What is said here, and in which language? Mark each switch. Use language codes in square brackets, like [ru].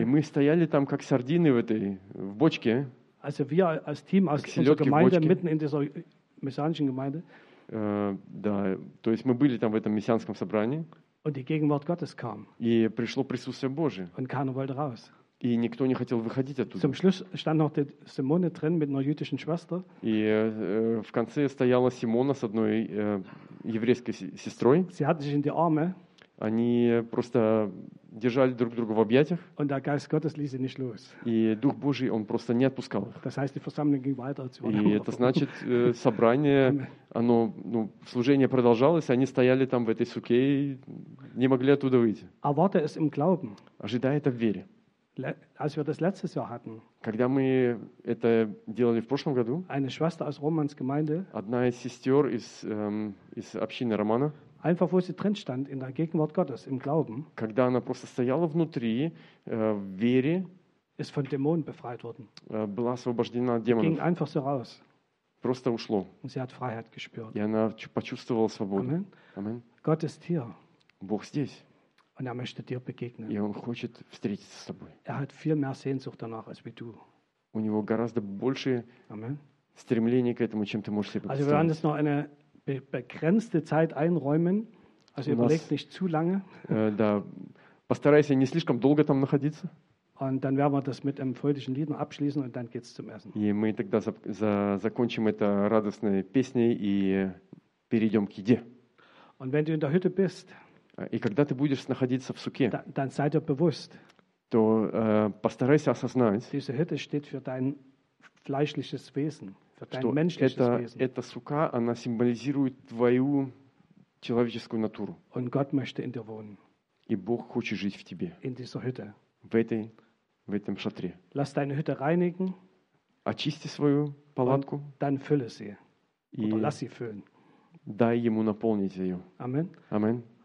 [ru] И мы стояли там, как сардины в этой в бочке. [de] Also wir als Team, als unsere Gemeinde, mitten in dieser messianischen Gemeinde. [ru] Да, то есть мы были там в этом мессианском собрании. [de] Und die Gegenwart Gottes kam. [ru] И пришло присутствие Божие. [de] Und keiner wollte raus. [ru] И никто не хотел выходить оттуда. [de] Zum Schluss stand noch die Simone drin mit einer jüdischen Schwester. [ru] И в конце стояла Симона с одной еврейской сестрой. [de] Sie hatten sich in die Arme. [ru] Они просто держали друг друга в объятиях. [de] Und der Geist Gottes ließ sie nicht los. [ru] И Дух Божий, он просто не отпускал их. [de] Das heißt, die Versammlung ging weiter. [ru] И это значит, собрание, оно, ну, служение продолжалось, они стояли там в этой суке и не могли оттуда выйти. [de] Erwarte es im Glauben. [ru] Ожидай это в вере. [de] Als wir das letztes Jahr hatten. [ru] Когда мы это делали в прошлом году. [de] Eine Schwester aus Romans Gemeinde. [ru] Одна из сестер из, из общины Романа. [de] Einfach wo sie drin stand in der Gegenwart Gottes im Glauben. [ru] Когда она просто стояла внутри в вере. [de] Ist von Dämonen befreit worden. [ru] Была освобождена от демонов. [de] Ging einfach so raus. [ru] Просто ушло. [de] Und sie hat Freiheit gespürt. [ru] И она почувствовала свободу. Amen. Amen. [de] Gott ist hier. [ru] Бог здесь. [de] Und er möchte dir begegnen. [ru] И он хочет встретиться с тобой. [de] Er hat viel mehr Sehnsucht danach als du. [ru] У него гораздо больше Amen. Стремление к этому, чем ты можешь себе представить. [de] Also wir werden jetzt noch eine begrenzte Zeit einräumen. Also überleg nicht zu lange. [ru] Да, постарайся не слишком долго там находиться. [de] Und dann werden wir das mit fröhlichen Liedern abschließen und dann geht's zum Essen. [ru] И мы тогда закончим это радостной песней и перейдем к еде. [de] Und wenn du in der Hütte bist. [ru] И когда ты будешь находиться в суке, [de] dann sei dir bewusst, [ru] то постарайся осознать, [de] diese Hütte steht für dein fleischliches Wesen, für dein menschliches [ru] это, [de] Wesen. [ru] Эта сука, она символизирует твою человеческую натуру. [de] Und Gott möchte in dir wohnen. [ru] И Бог хочет жить в тебе. [de] In dieser Hütte. [ru] В этом шатре. [de] Lass deine Hütte reinigen. [ru] Очисти свою палатку. [de] Und dann fülle sie. Oder lass sie füllen. [ru] Дай ему наполнить ее. Amen. Amen.